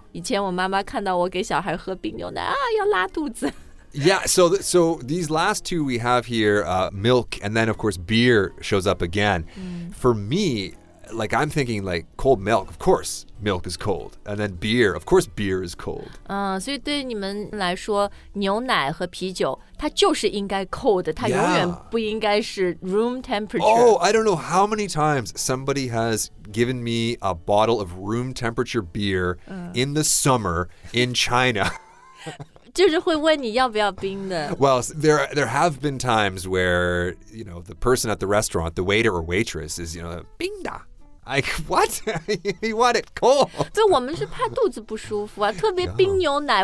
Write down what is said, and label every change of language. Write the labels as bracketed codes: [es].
[zh] 以前我妈妈看到我给小孩喝冰牛奶啊，要拉肚子 [en] Yeah, so these last two we have here,、milk, and then, of course, beer shows up again.、For me, like, I'm thinking, like, cold milk, of course, milk is cold. And then beer, of course, beer is cold. [zh] 所以对你们来说,牛奶和啤酒,它就是应该 cold, 它永远不应该是 [en] room temperature. Oh, I don't know how many times somebody has given me a bottle of room temperature beer、in the summer in China. [zh] 就是会问你要不要冰的。 [en] Well, there have been times where, you know, the person at the restaurant, the waiter or waitress is, you know, [zh] 冰的。 [en] Like, what? You want it cold? [zh] 对，我们是怕肚子不舒服啊，特别冰牛奶。